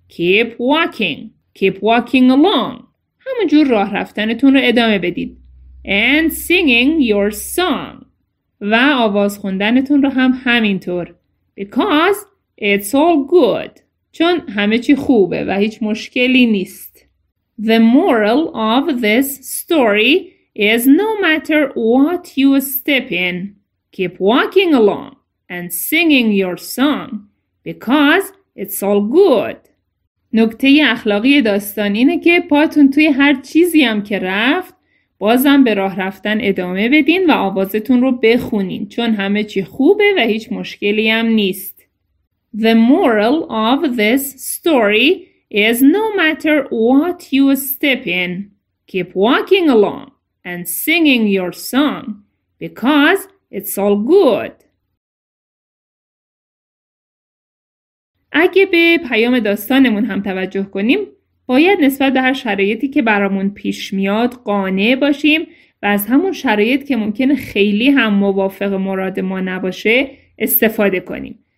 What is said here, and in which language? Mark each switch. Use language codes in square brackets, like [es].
[en] Keep walking. Keep walking along. [fa] همونجور راه رفتنتون رو ادامه بدید. [en] And singing your song. [fa] و آواز خوندنتون رو هم همینطور. [en] Because it's all good. [fa] چون همه چی خوبه و هیچ مشکلی نیست. [en] The moral of this story is no matter what you step in, keep walking along and singing your song because it's all good. [fa] نکته اخلاقی داستان اینه که پاتون توی هر چیزی هم که رفت بازم به راه رفتن ادامه بدین و آوازتون رو بخونین چون همه چی خوبه و هیچ مشکلی هم نیست. [en] The moral of this story is no matter what you step in, keep walking along and singing your song because it's all good. [fa] اگه به پیام داستانمون هم توجه کنیم، باید نسبت به هر شرایطی که برامون پیش میاد قانع باشیم و از همون شرایط که ممکنه خیلی هم موافق مراد ما نباشه استفاده کنیم.